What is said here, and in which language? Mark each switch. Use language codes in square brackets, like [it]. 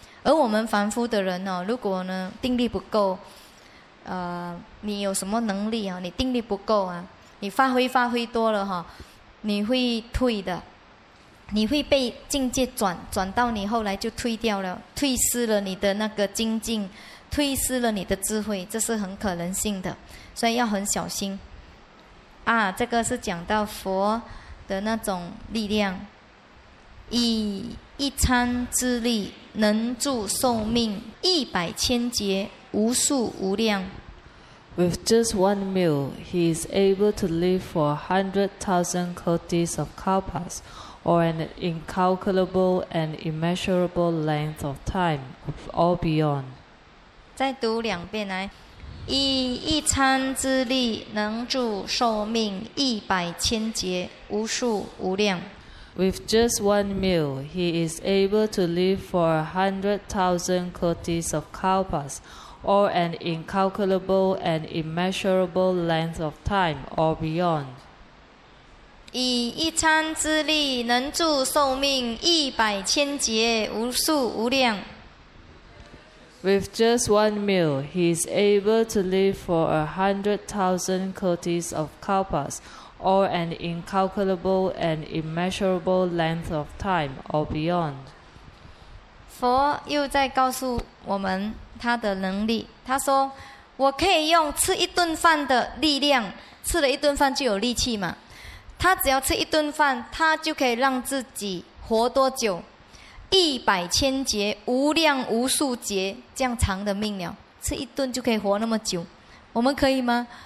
[zh] 而我们凡夫的人哦，如果呢定力不够，你有什么能力啊，你定力不够啊，你发挥多了哈，你会退的，你会被境界转到你后来就退掉了，退失了你的那个精进，退失了你的智慧，这是很可能性的，所以要很小心啊。这个是讲到佛的那种力量，以一餐之力能助寿命一百千劫无数无量， [en] With just one meal, he is able to live for 100,000 kotis of kalpas, or an incalculable and immeasurable length of time, or beyond. [zh] 再读两遍来，以一餐之力能助寿命一百千劫，无数无量。 [en] With just one meal, he is able to live for 100,000 kotis of kalpas, or an incalculable and immeasurable length of time, or beyond. [zh] 以一餐之力能助寿命一百千劫，无数无量。 [en] With just one meal, he is able to live for 100,000 kotis of kalpas, or an incalculable and immeasurable length of time, or beyond. [zh] 佛又在告诉我们他的能力，他说，我可以用吃一顿饭的力量，吃了一顿饭就有力气嘛。他只要吃一顿饭，他就可以让自己活多久？一百千劫，无量无数劫，这样长的命了，吃一顿就可以活那么久，我们可以吗？